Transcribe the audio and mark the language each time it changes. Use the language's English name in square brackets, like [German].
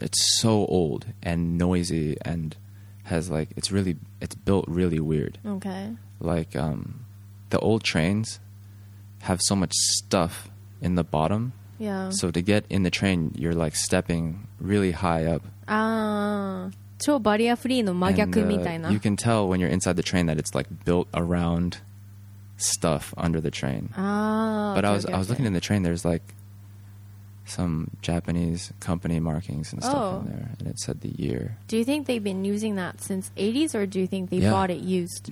[English] It's so old and noisy and has like, it's built really weird. Okay. Like, the old trains have so much stuff in the bottom. Yeah. So to get in the train, you're like stepping really high up. [Japanese] Ah, 超バリアフリーの真逆みたいな。 [English] You can tell when you're inside the train that it's like built around stuff under the train. Ah, but I was looking in the train. There's like,Some Japanese company markings and stuff in there, and it said the year. Do you think they've been using that since 80s, or do you think they bought it used?